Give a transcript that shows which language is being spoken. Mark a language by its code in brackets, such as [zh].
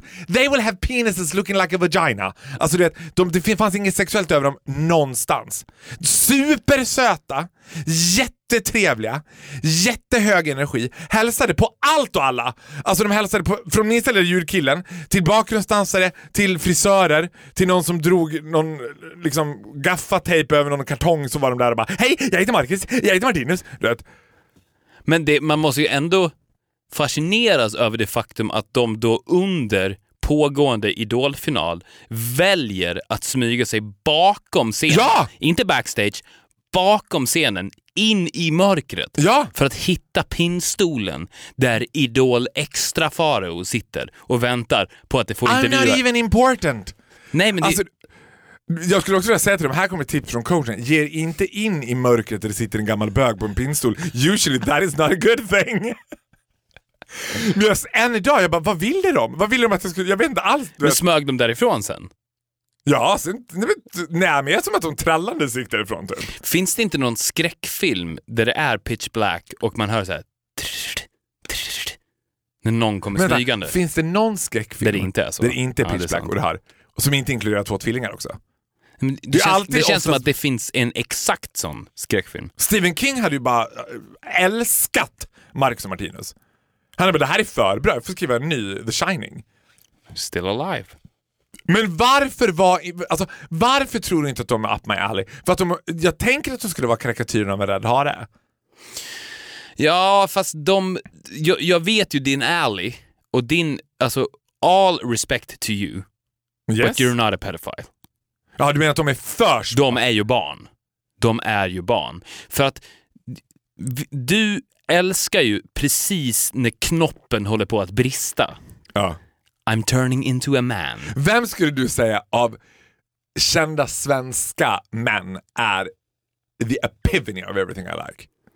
[sv] Men, [en] they will have penises looking like a vagina. [sv] Alltså du vet, det fanns inget sexuellt över dem någonstans. Supersöta, jättetrevliga, jättehög energi. Hälsade på allt och alla. Alltså de hälsade på, från minst eller djurkillen till bakgrundsdansare, till frisörer, till någon som drog någon liksom gaffatejp över någon kartong, så var de där och bara, hej, jag heter Marcus, jag heter Martinus. Du vet. Men det, man måste ju ändå fascineras över det faktum att de då under pågående idolfinal väljer att smyga sig bakom scenen. Ja! Inte backstage, bakom scenen, in i mörkret. Ja! För att hitta pinstolen där idol extra faro sitter och väntar på att det får intervjua. [en] I'm not even important! [sv] Nej, men alltså, jag skulle också vilja säga till dem, här kommer ett tips från coachen. Ge inte in i mörkret där det sitter en gammal bög på en pinstol. [en] Usually that is not a good thing. [sv] Men just, än idag, jag bara, vad ville de? Vad ville de att jag skulle, jag vet inte alls. Men smög de därifrån sen? Ja, sen, nej men jag som att de trallande gick därifrån typ. Finns det inte någon skräckfilm där det är pitch black och man hör så här, trrr, trrr, när någon kommer men, smygande? Men finns det någon skräckfilm där det inte är så? Där det inte är pitch, ja, är black och det här? Och som inte inkluderar två tvillingar också? Men det känns, alltid det känns oftast... som att det finns en exakt sån skräckfilm. Stephen King hade ju bara älskat Marcus och Martinus. Han är bara, det här är för bra, jag får skriva en ny The Shining. [en] Still alive. [sv] Men varför var, alltså, varför tror du inte att de är [en] up my alley? [sv] För att de, jag tänker att de skulle vara karikatyrer om en rädd hare. Ja, fast de, jag vet ju din alley. Och din, alltså, [en] all respect to you. Yes. But you're not a pedophile. [sv] Ja, du menar att de är först? De är ju barn. De är ju barn. För att du älskar ju precis när knoppen håller på att brista. Ja. [en] I'm turning into a man. [sv] Vem skulle du säga av kända svenska män är [en] the epiphany of everything I like?